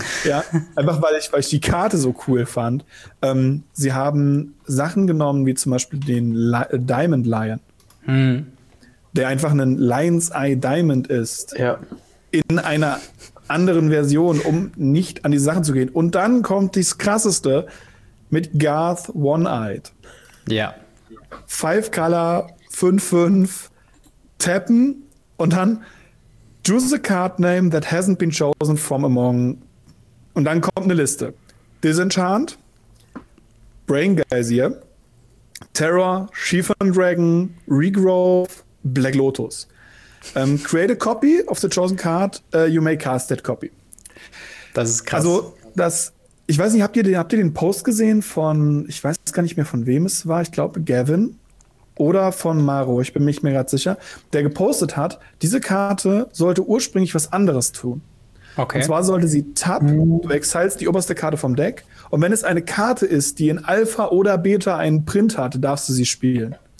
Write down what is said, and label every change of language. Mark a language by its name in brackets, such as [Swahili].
[German] Ja, einfach weil ich die Karte so cool fand. Sie haben Sachen genommen, wie zum Beispiel den Diamond Lion, der einfach ein Lion's Eye Diamond ist. Ja. In einer anderen Version, um nicht an die Sachen zu gehen. Und dann kommt das Krasseste. Mit Garth One-Eyed. Ja. [English] 5-Color, 5-5, [German] tappen und dann [English] choose a card name that hasn't been chosen from among. [German] Und dann kommt eine Liste. [English] Disenchant, Brain Geysir, Terror, Shifan Dragon, Regrowth, Black Lotus. Create a copy of the chosen card, you may cast that copy. [German] Das ist krass. Also, das. Ich weiß nicht, habt ihr den Post gesehen von, ich weiß gar nicht mehr von wem es war, ich glaube Gavin oder von Maro, ich bin mir nicht mehr gerade sicher, der gepostet hat, diese Karte sollte ursprünglich was anderes tun. Okay. Und zwar sollte sie tap, du exilst die oberste Karte vom Deck und wenn es eine Karte ist, die in Alpha oder Beta einen Print hat, darfst du sie spielen.